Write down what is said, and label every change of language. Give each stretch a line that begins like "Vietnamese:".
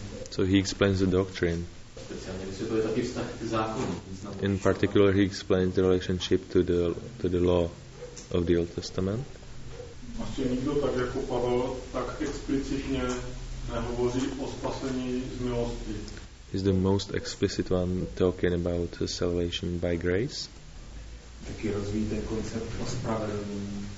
English: So he explains the doctrine. In particular, he explains the relationship to the law of the Old Testament.
Czech: Asi nikdo tak jako Pavel tak explicitně nehovoří o spasení z milosti.
English: Is the most explicit one talking about salvation by grace.
Czech: Taky rozvíjí ten koncept o spravedlnění.